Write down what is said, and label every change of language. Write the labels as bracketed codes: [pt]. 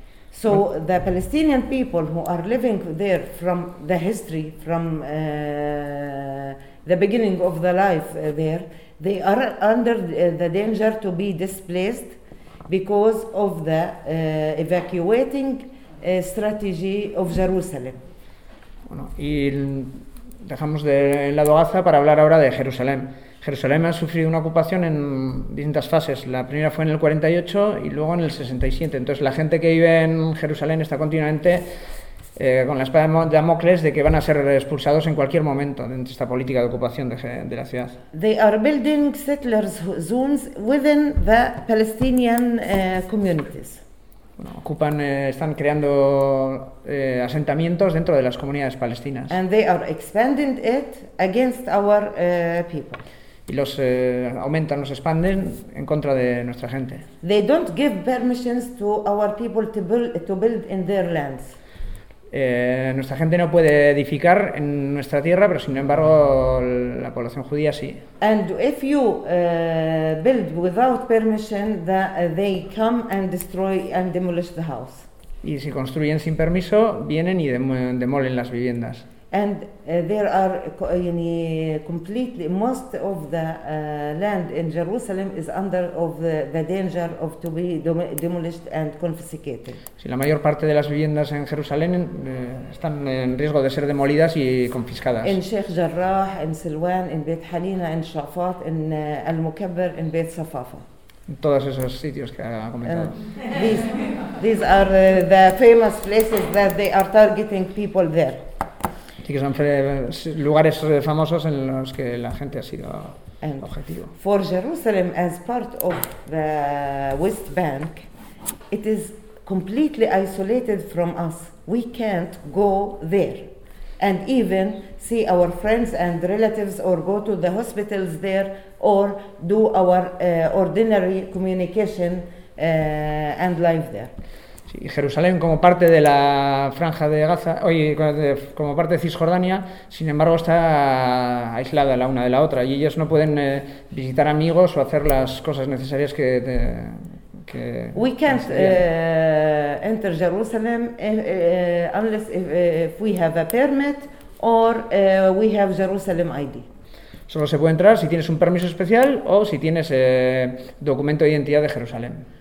[en] So the Palestinian people who are living there from the history, from the beginning of the life there, they are under the danger to be displaced because of the evacuating strategy of Jerusalem. [es] Bueno, y dejamos de lado Gaza para hablar ahora de Jerusalén. Jerusalén ha sufrido una ocupación en distintas fases. La primera fue en el 48 y luego en el 67. Entonces la gente que vive en Jerusalén está continuamente con la espada de Damocles de que van a ser expulsados en cualquier momento de esta política de ocupación de la ciudad. [en] They are building settlers zones within the Palestinian communities. [es] Bueno, ocupan, están creando asentamientos dentro de las comunidades palestinas. [en] And they are expanding it against our people. [es] Y los aumentan, los expanden en contra de nuestra gente. [en] They don't give permissions to our people to build in their lands. [es] Nuestra gente no puede edificar en nuestra tierra, pero sin embargo la población judía sí. [en] And if you build without permission, they come and destroy and demolish the house. [es] Y si construyen sin permiso, vienen y demolen las viviendas. [en] And there are completely most of the land in Jerusalem is under of the danger of to be demolished and confiscated. [es] Sí, la mayor parte de las viviendas en Jerusalén están en riesgo de ser demolidas y confiscadas. [en] In Sheikh Jarrah, in Silwan, in Beit Hanina, in Shafat, in Al Mukabber, in Beit Safafa. [es] Todos esos sitios que ha comentado. [en] These are the famous places that they are targeting people there. [es] Sí, que son lugares famosos en los que la gente ha sido [en] and [es] objetivo. [en] For Jerusalem as part of the West Bank, it is completely isolated from us. We can't go there and even see our friends and relatives or go to the hospitals there or do our ordinary communication and life there. [es] Y Jerusalén como parte de la franja de Gaza, como parte de Cisjordania, sin embargo está aislada la una de la otra y ellos no pueden visitar amigos o hacer las cosas necesarias que [en] we can't enter Jerusalem unless if we have a permit or we have Jerusalem ID. [es] Solo se puede entrar si tienes un permiso especial o si tienes documento de identidad de Jerusalén.